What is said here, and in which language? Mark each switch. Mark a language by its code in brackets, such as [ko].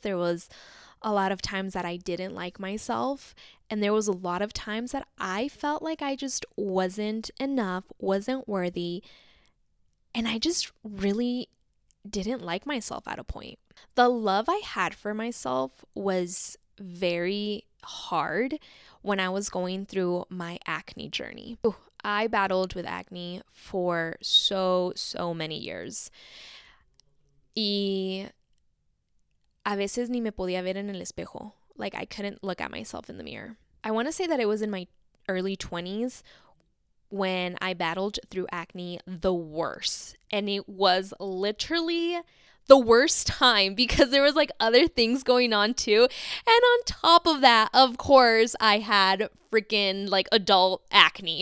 [en] There was a lot of times that I didn't like myself, and there was a lot of times that I felt like I just wasn't enough, wasn't worthy, and I just really didn't like myself at a point. The love I had for myself was very hard when I was going through my acne journey. Ooh, I battled with acne for so, so many years. [es] A veces ni me podía ver en el espejo. [en] Like, I couldn't look at myself in the mirror. I want to say that it was in my early 20s when I battled through acne the worst. And it was literally the worst time because there was like other things going on too. And on top of that, of course, I had freaking like adult acne.